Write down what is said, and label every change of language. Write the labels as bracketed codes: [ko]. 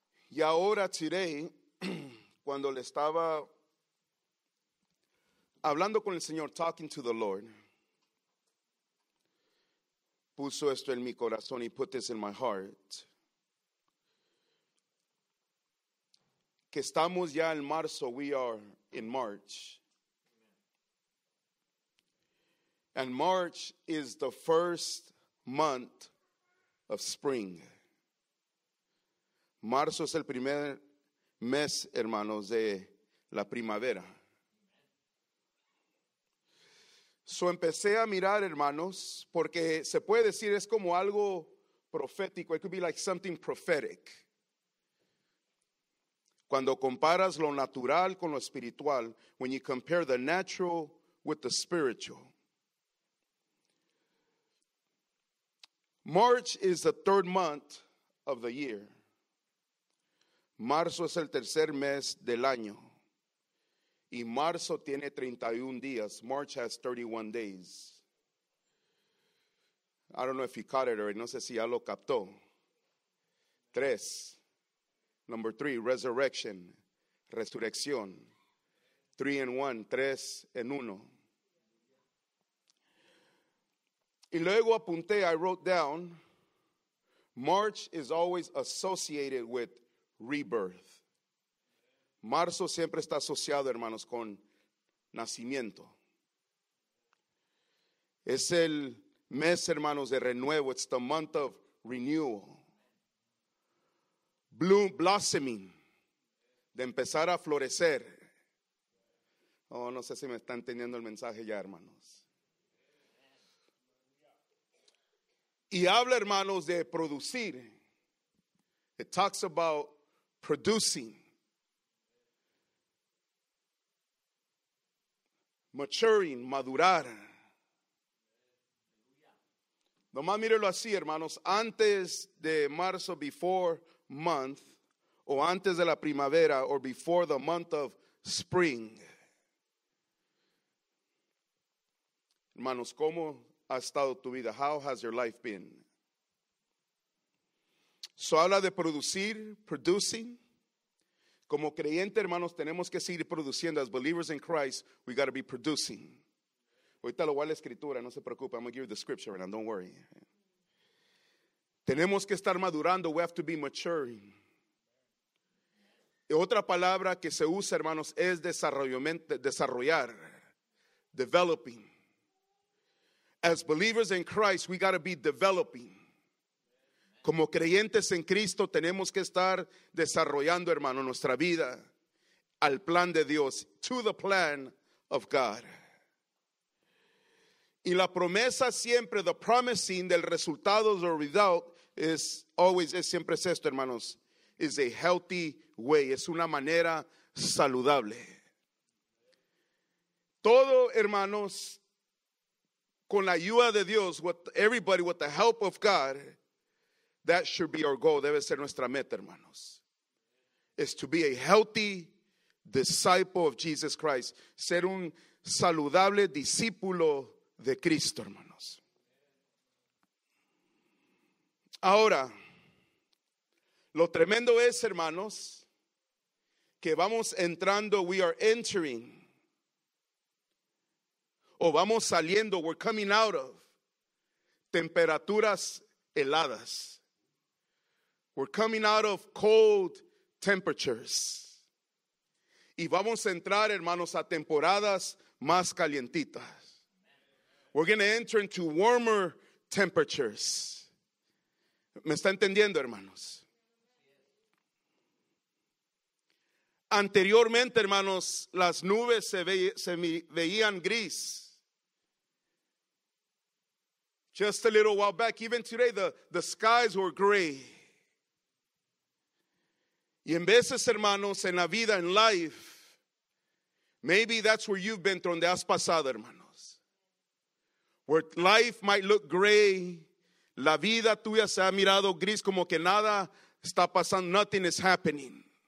[es] Y ahora, today, cuando le estaba hablando con el Señor, [en] talking to the Lord, [es] puso esto en mi corazón, [en] he put this in my heart, [es] que estamos ya en marzo, [en] we are in March. And March is the first month of spring. [es] Marzo es el primer mes, hermanos, de la primavera. So empecé a mirar, hermanos, porque se puede decir es como algo profético. [en] It could be like something prophetic. [es] Cuando comparas lo natural con lo espiritual, [en] when you compare the natural with the spiritual. March is the third month of the year. [es] Marzo es el tercer mes del año. Y marzo tiene 31 días. [en] March has 31 days. I don't know if you caught it or [es] no sé si ya lo captó. Tres. [en] Number three, resurrection. Resurrección. Three and one, [es] tres en uno. Y luego apunté, [en] I wrote down, March is always associated with rebirth. [es] Marzo siempre está asociado, hermanos, con nacimiento. Es el mes, hermanos, de renuevo. [en] It's the month of renewal. Bloom, blossoming, [es] de empezar a florecer. Oh, no sé si me están entendiendo el mensaje ya, hermanos. Y habla, hermanos, de producir. [en] It talks about producing. Maturing, madurar. [es] Nomás mírelo así, hermanos. Antes de marzo, [en] before month, [es] o antes de la primavera, [en] or before the month of spring. [es] Hermanos, ¿cómo ha estado tu vida? [en] How has your life been? [es] So habla de producir, producing. Como creyente, hermanos, tenemos que seguir produciendo. [en] As believers in Christ, we got to be producing. [es] Ahorita lo voy a la escritura, no se preocupe. [en] I'm going to give you the scripture right now, don't worry. [es] Tenemos que estar madurando. [en] We have to be maturing. [es] Y otra palabra que se usa, hermanos, es desarrollar. [en] Developing. As believers in Christ, we got to be developing. [es] Como creyentes en Cristo, tenemos que estar desarrollando, hermano, nuestra vida al plan de Dios. [en] To the plan of God. [es] Y la promesa siempre, [en] the promising [es] del resultado, [en] the result, [es] es siempre esto, hermanos. [en] Is a healthy way. [es] Es una manera saludable. Todo, hermanos, con la ayuda de Dios, [en] with the help of God, that should be our goal. [es] Debe ser nuestra meta, hermanos. [en] Is to be a healthy disciple of Jesus Christ. [es] Ser un saludable discípulo de Cristo, hermanos. Ahora, lo tremendo es, hermanos, que vamos entrando, [en] we are entering. [es] O vamos saliendo, [en] we're coming out of [es] temperaturas heladas. [en] We're coming out of cold temperatures. [es] Y vamos a entrar, hermanos, a temporadas más calientitas. [en] We're going to enter into warmer temperatures. [es] ¿Me está entendiendo, hermanos? Anteriormente, hermanos, las nubes se veían gris. [en] Just a little while back, even today, the skies were gray. [es] Y en veces, hermanos, en la vida, [en] in life, maybe that's where you've been, [es] donde has pasado, hermanos. [en] Where life might look gray, [es] la vida tuya se ha mirado gris, como que nada está pasando, [en] nothing is happening.